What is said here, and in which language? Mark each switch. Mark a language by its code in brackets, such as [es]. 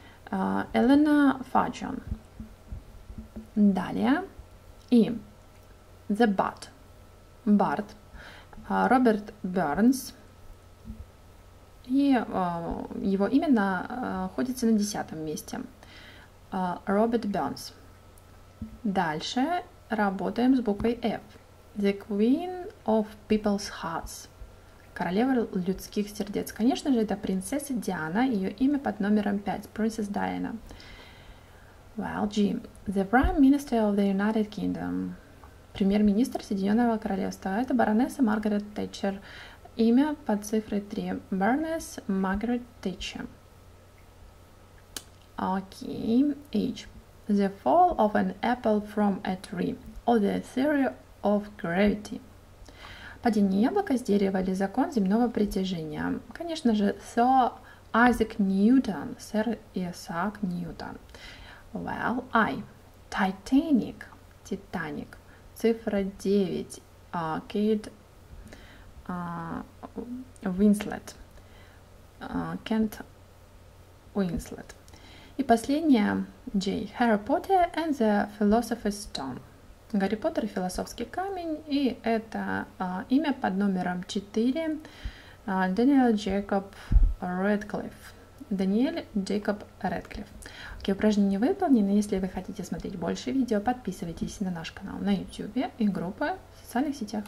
[en] Elena Fudgeon. [ru] Далее. И. [en] The Bard. Bard. Robert Burns. [ru] И его имя находится на 10-м месте. [en] Robert Burns. [ru] Дальше работаем с буквой F. [en] The Queen of People's Hearts. [ru] Королева людских сердец. Конечно же, это принцесса Диана. Ее имя под номером 5. Princess Diana. [en] Well, G. The Prime Minister of the United Kingdom. [ru] Премьер-министр Соединенного Королевства. Это баронесса Маргарет Тэтчер. Имя под цифрой 3. Бернес Маргарет Тэтчер. Окей. H. [en] The fall of an apple from a tree. Or the theory of gravity. [ru] Падение яблока с дерева или закон земного притяжения. Конечно же, Sir Isaac Newton. Сэр Исаак Ньютон. [en] Well, I. Titanic. [ru] Титаник. Цифра 9. Кейт Уинслет. Кент Уинслет. И последнее. J. [en] Harry Potter and the Philosopher's Stone. [ru] Гарри Поттер и философский камень. И это имя под номером 4. [en] Daniel Jacob Radcliffe. [ru] Даниэль Джейкоб Рэдклифф. Окей, упражнения выполнены. Если вы хотите смотреть больше видео, подписывайтесь на наш канал на YouTube и группы в социальных сетях.